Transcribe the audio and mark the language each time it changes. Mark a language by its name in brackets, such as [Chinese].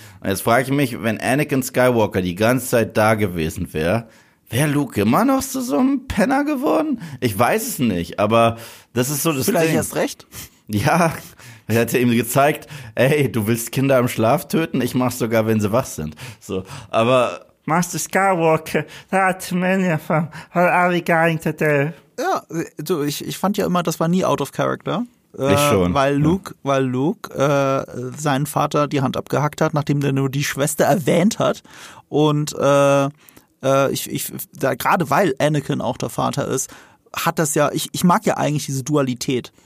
[German] Und jetzt frage ich mich, wenn Anakin Skywalker die ganze Zeit da gewesen wäre, wäre Luke immer noch zu so einem Penner geworden? Ich weiß es nicht, aber das ist so das Vielleicht Ding. Vielleicht erst recht. Ja, er hat ja ihm gezeigt, ey, du willst Kinder im Schlaf töten? Ich mach's sogar, wenn sie wach sind. So, aber [English] Master Skywalker, that man from, what are we going to do? [German] Ja, du, ich fand ja immer, das war nie [English] out of character. [German] Ich schon. Weil Luke seinen Vater die Hand abgehackt hat, nachdem der nur die Schwester erwähnt hat. Und gerade weil Anakin auch der Vater ist, hat das ja, ich mag ja eigentlich diese Dualität.